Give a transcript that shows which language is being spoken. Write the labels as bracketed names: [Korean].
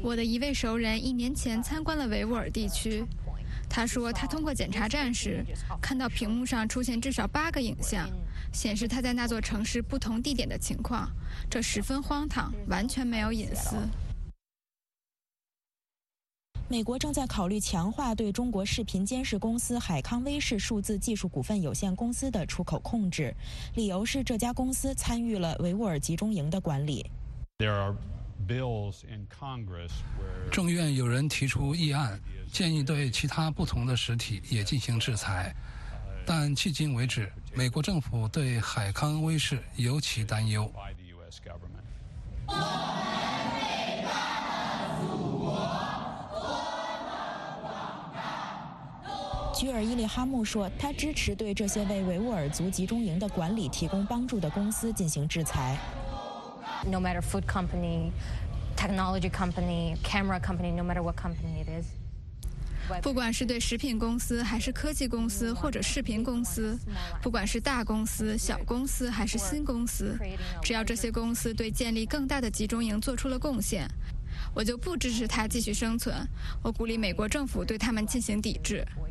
[Chinese] 我的一位熟人一年前参观了维吾尔地区，他说他通过检查站时看到屏幕上出现至少8个影像，显示他在那座城市不同地点的情况，这十分荒唐，完全没有隐私。美国正在考虑强化对中国视频监视公司海康威视数字技术股份有限公司的出口控制，理由是这家公司参与了维吾尔集中营的管理。 [English] There are bills in Congress where [Chinese] 众院有人提出议案，建议对其他不同的实体也进行制裁，但迄今为止，美国政府对海康威视尤其担忧。居尔伊利哈木说，他支持对这些为维吾尔族集中营的管理提供帮助的公司进行制裁。 [English] No matter food company, technology company, camera company, no matter what company it is. [Chinese] 不管是对食品公司还是科技公司或者视频公司，不管是大公司小公司还是新公司，只要这些公司对建立更大的集中营做出了贡献，我就不支持它继续生存。我鼓励美国政府对他们进行抵制。